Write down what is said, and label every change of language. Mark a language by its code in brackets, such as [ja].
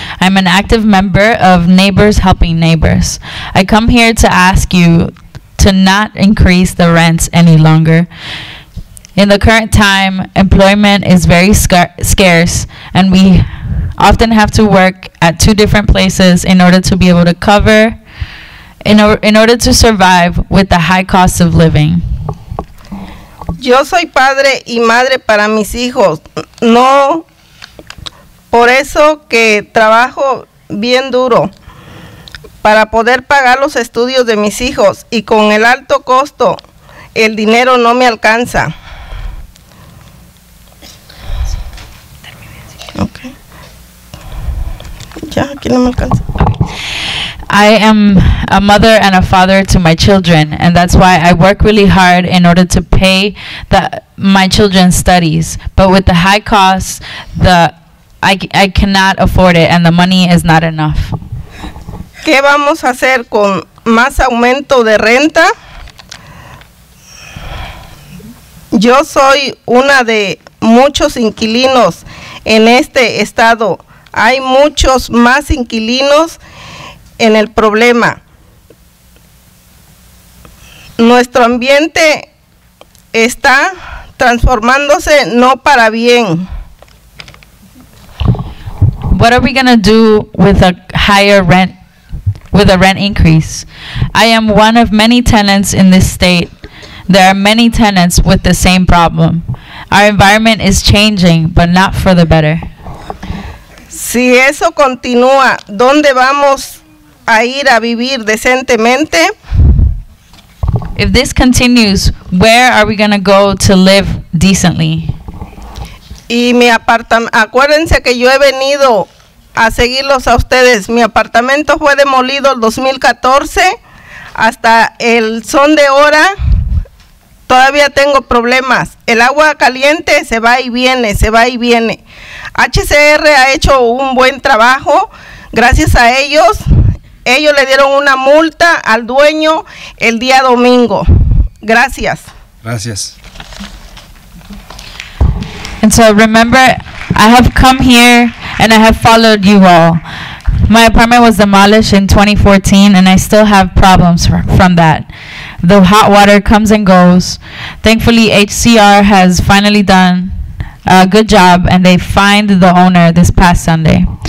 [en] I'm an active member of Neighbors Helping Neighbors. I come here to ask you to not increase the rents any longer. In the current time, employment is very scarce and we often have to work at two different places in order to be able to cover in order to survive with the high cost of living. [es] Yo soy padre y madre para mis hijos. No, por eso que trabajo bien duro para poder pagar los estudios de mis hijos y con el alto costo, el dinero no me alcanza. Okay. Ya, aquí no me alcanza. [en] I am a mother and a father to my children, and that's why I work really hard in order to pay my children's studies. But with the high costs, I cannot afford it, and the money is not enough. [es] ¿Qué vamos a hacer con más aumento de renta? Yo soy una de muchos inquilinos en este estado. Hay muchos más inquilinos en el problema. Nuestro ambiente está transformándose no para bien. [en] What are we going to do with a higher rent, with a rent increase? I am one of many tenants in this state. There are many tenants with the same problem. Our environment is changing, but not for the better. [es] Si eso continúa, ¿dónde vamos a ir a vivir decentemente? [en] If this continues, where are we going to go to live decently? [es] Y mi apartamento, acuérdense que yo he venido a seguirlos a ustedes. Mi apartamento fue demolido el 2014. Hasta el son de hora, todavía tengo problemas. El agua caliente se va y viene, se va y viene. HCR ha hecho un buen trabajo. Gracias a ellos, ellos le dieron una multa al dueño el día domingo. Gracias. Gracias. [en] And so remember, I have come here and I have followed you all. My apartment was demolished in 2014 and I still have problems from that. The hot water comes and goes. Thankfully, HCR has finally done a good job and they fined the owner this past Sunday.